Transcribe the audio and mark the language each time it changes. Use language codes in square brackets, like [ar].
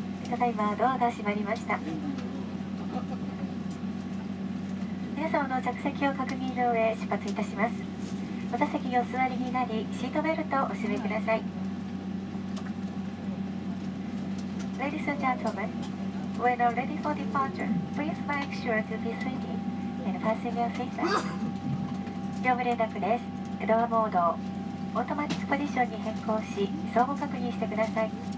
[ja] ただいまドアが閉まりました。皆様の着席を確認の上出発いたします。お座席にお座りになりシートベルトをお締めください。 [en] Ladies and gentlemen, when all ready for departure, please make sure to be seated and fasten your seatbelt. [ja] 業務連絡です。ドアモードオートマティックポジションに変更し、相互確認してください。